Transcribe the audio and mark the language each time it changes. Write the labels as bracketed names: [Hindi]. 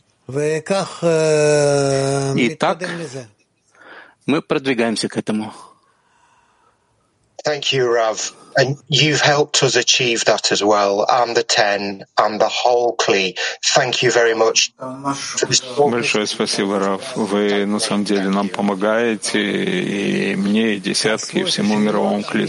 [Russian] И так мы продвигаемся к этому. [English] Thank you, Rav. And you've helped us achieve that as well, and the Ten, and the whole Kli. Thank you very much. [Russian] Большое спасибо, Рав. Вы на самом деле нам помогаете, и мне, и десятки, и всему мировому Кли.